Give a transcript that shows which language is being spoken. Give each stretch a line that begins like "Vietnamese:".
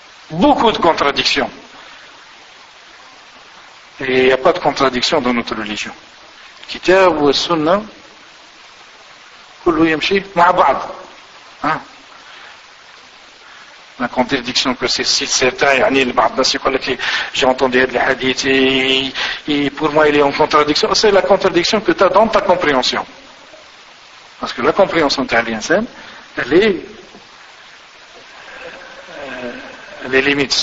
French: Beaucoup de contradictions. Et il n'y a pas de contradiction dans notre religion.
Arabic: Kitab ou Sunna, كله يمشي مع بعض.
French: La contradiction que c'est si certain,
Arabic: يعني البعض ناس يقول لك
French: j'ai entendu des hadiths et pour moi il est en contradiction, c'est la contradiction que tu as dans ta compréhension. Parce que la compréhension de l'insan, elle est limite.